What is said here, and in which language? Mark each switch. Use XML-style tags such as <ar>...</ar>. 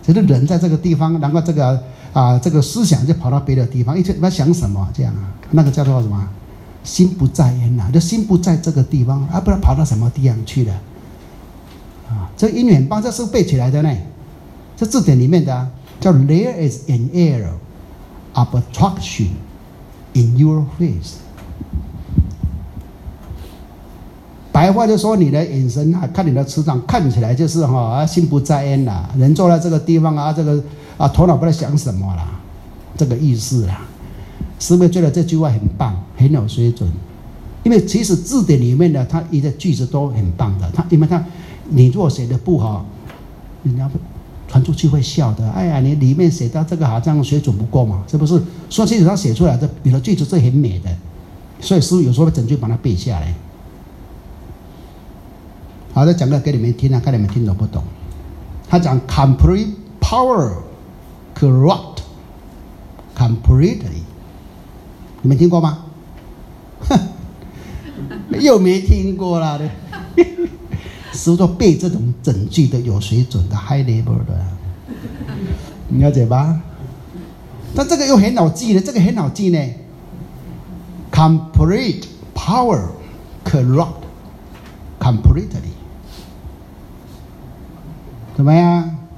<zh>其实人在这个地方，然后这个啊，这个思想就跑到别的地方，一直在想什么这样啊，那个叫做什么？心不在焉呐、啊，就心不在这个地方，啊，不知道跑到什么地方去了，啊，这音乐很棒，这是背起来的呢，这字典里面的、啊。</zh> <en>叫 There is an air of attraction in your face。</en> <zh>白话就说你的眼神啊，看你的磁场，看起来就是哈、哦，心不在焉呐、啊。人坐在这个地方啊，这个啊，头脑不知道想什么啦，这个意思啦。师父觉得这句话很棒，很有水准。因为其实字典里面的它一个句子都很棒的，它因为它你若写的不好，人家不。传出去会笑的，哎呀，你里面写到这个好像水准不够嘛，是不是？说清楚他写出来的，比如句子是很美的，所以师父有时候整句把它背下来。好，再讲个给你们听啊，看你们听懂不懂？他讲</zh> <en>complete power corrupt completely，</en> <zh>你们听过吗？又没听过啦。是说背这种整句的有水准的</zh> <en>high level</en> <zh>的、啊，你了解吧？但这个又很好记的，这个很好记呢。</zh> <en>Complete power corrupt completely，</en> <zh>怎么样？</zh>